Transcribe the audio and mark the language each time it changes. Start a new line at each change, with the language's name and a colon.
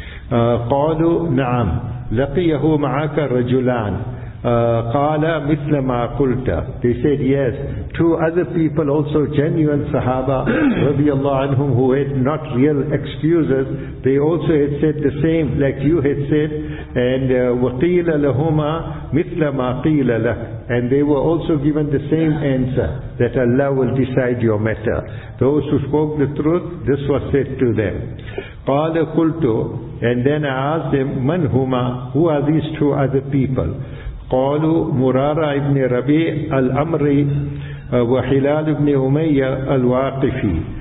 Arabic: قَالُوا نَعَمْ لَقِيَهُ مَعَكَ رَجُلَانِ قَالَ مِثْلَ مَا قُلْتَ.
English: They said, yes, two other people also, genuine Sahaba
Arabic: رضي الله عنهم,
English: who had not real excuses, they also had said the same like you had said.
Arabic: And وَقِيلَ لَهُمَا مِثْلَ مَا قِيلَ لَكَ.
English: And they were also given the same answer, that Allah will decide your matter. Those who spoke the truth, this was said to them.
Arabic: قَالَ قُلْتُ.
English: And then I asked them,
Arabic: مَنْ هُمَا.
English: Who are these two other people?
Arabic: قالوا مرارة ابن ربيع الأمري وحلال ابن أمية الواقفي.